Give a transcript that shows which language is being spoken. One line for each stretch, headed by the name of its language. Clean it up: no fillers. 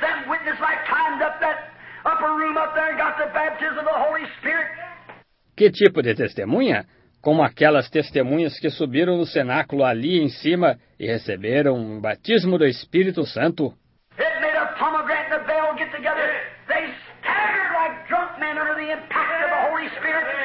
English: That witness like climbed up that upper room up there and got the baptism of the Holy Spirit?
Portuguese: Que tipo de testemunha? Como aquelas testemunhas que subiram no cenáculo ali em cima e receberam o batismo do Espírito Santo?
English: It made a pomegranate and a bell get together. They staggered like drunk men under the impact of the Holy Spirit.